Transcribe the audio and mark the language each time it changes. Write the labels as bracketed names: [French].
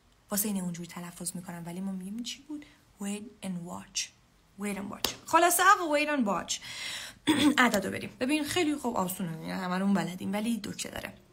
[Persian] واسه اینه اونجوری تلفظ میکنم، ولی ما میگیم چی بود؟ [English] wait and watch. wait and watch [Persian] خلاصه اقا [English] wait and watch. [Persian] عددو بریم ببین، خیلی خوب آسونه، همه رو همون بلدیم، ولی دکه داره.